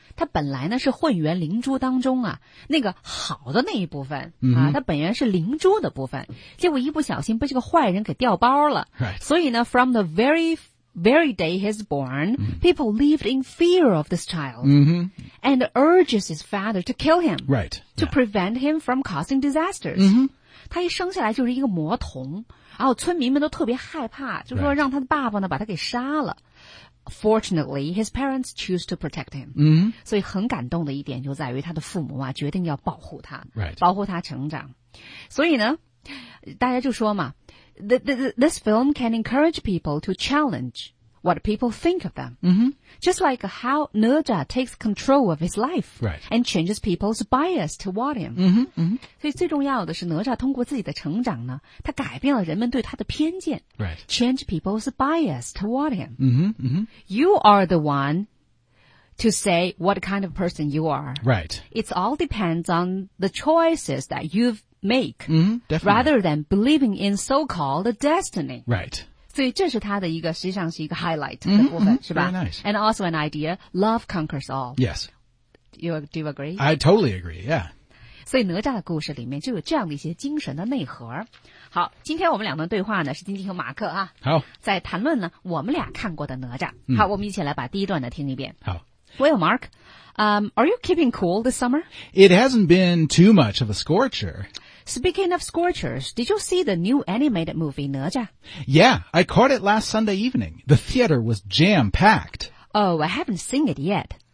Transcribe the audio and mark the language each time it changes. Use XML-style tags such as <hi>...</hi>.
<zh>他本来呢是混元灵珠当中啊那个好的那一部分、啊他本源是灵珠的部分结果一不小心被这个坏人给掉包了。</zh> <en>Right.</en> <zh>所以呢</zh> <en>from the very, very day he's born,、people lived in fear of this child,、and urges his father to kill him. Right. To、prevent him from causing disasters.、</en> <zh>他一生下来就是一个魔童然后村民们都特别害怕就说让他的爸爸呢把他给杀了。</zh> <en>Fortunately, his parents choose to protect him.</en> <zh>所以很感动的一点就在于他的父母啊决定要保护他、保护他成长。所以呢大家就说嘛</zh> <en>this film can encourage people to challenge what people think of them.、Just like how Nerja takes control of his life、and changes people's bias toward him.、</en> <zh>所以最重要的是 Nerja 通过自己的成长呢他改变了人们对他的偏见、</zh> <en>change people's bias toward him.、You are the one to say what kind of person you are.、It all depends on the choices that you've made、rather than believing in so-called destiny. Right.</en> <zh>所以这是他的一个实际上是一个 highlight 的部分、是吧</zh> <en>nice. And also an idea, love conquers all. Yes. Do you agree? I totally agree, yeah.</en> <zh>所以哪吒的故事里面就有这样的一些精神的内核。好今天我们两段对话呢是晶晶和马克啊。好。在谈论呢我们俩看过的哪吒。好我们一起来把第一段的听一遍。好。</zh> <en>Well, Mark, are you keeping cool this summer? It hasn't been too much of a scorcher. Speaking of scorchers, did you see the new animated movie, Nerja? Yeah, I caught it last Sunday evening. The theater was jam-packed. Oh, I haven't seen it yet.</en>